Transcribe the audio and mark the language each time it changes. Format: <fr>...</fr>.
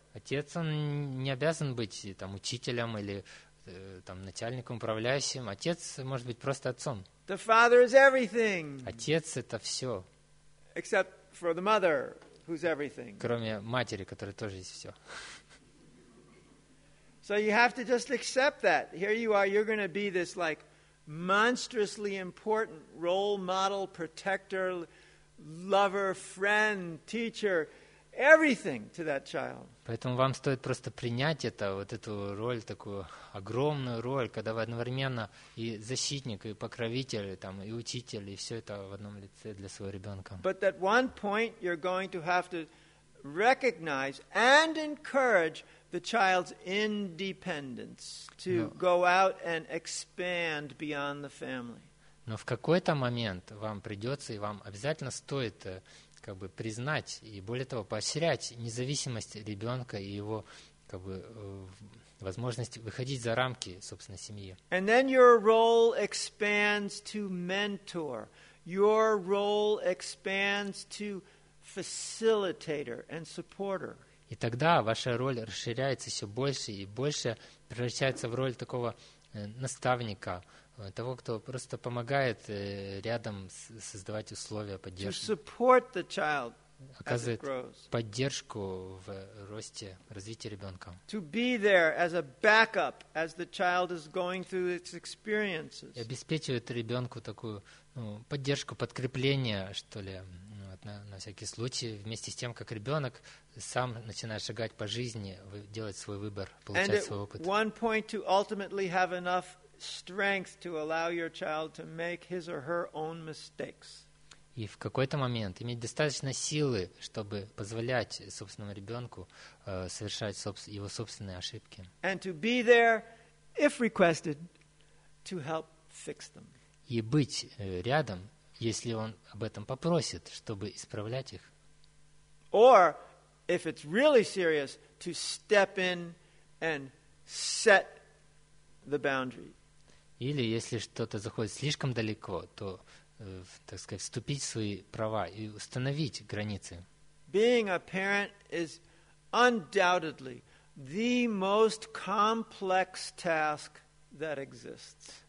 <ru>Отец он не обязан быть там учителем или там начальником управляющим. Отец может быть просто отцом.</ru> <en>The father is everything.</en> <ru>Отец это все.</ru> <en>Except for the mother, who's everything.</en> <ru>Кроме матери, которая тоже есть все.</ru> <en>So you have to just accept that. Here you are, you're going to be this like monstrously important role model, protector, lover, friend, teacher, everything to that child.</en> <ru>Поэтому вам стоит просто принять это, вот эту роль, такую огромную роль, когда вы одновременно и защитник, и покровитель, и, там, и учитель, и все это в одном лице для своего ребенка.</ru> <en>But at one point you're going to have to recognize and encourage the child's independence to go out and expand beyond the family.</en> <ru>Но в какой-то момент вам придется и вам обязательно стоит как бы признать и более того поощрять независимость ребенка и его как бы возможность выходить за рамки собственной семьи.</ru> <en>And then your role expands to mentor. Your role expands to facilitator and supporter.</en> <ru>И тогда ваша роль расширяется все больше и больше, превращается в роль такого наставника, того, кто просто помогает рядом создавать условия, поддержки.</ru> <en>To support the child as it grows.</en> <ru>Оказывает поддержку в росте, развитии ребенка.</ru> <en>To be there as a backup as the child is going through its experiences.</en> <ru>И обеспечивает ребенку такую поддержку, подкрепление, что ли. На всякий случай, вместе с тем, как ребенок сам начинает шагать по жизни, делать свой выбор, получать свой опыт.</ru> <en>One point to ultimately have enough strength to allow your child to make his or her own mistakes.</en> <ru>И в какой-то момент иметь достаточно силы, чтобы позволять собственному ребенку совершать его собственные ошибки.</ru> <en>And to be there, if requested, to help fix them.</en> <ru>И быть рядом, если он об этом попросит, чтобы исправлять их.</ru> <en>Or, if it's really serious, to step in and set the boundary.</en> <ru>Или если что-то заходит слишком далеко, то, так сказать, вступить в свои права и установить границы.</ru> <en>Being a parent is undoubtedly the most complex task that exists.</en>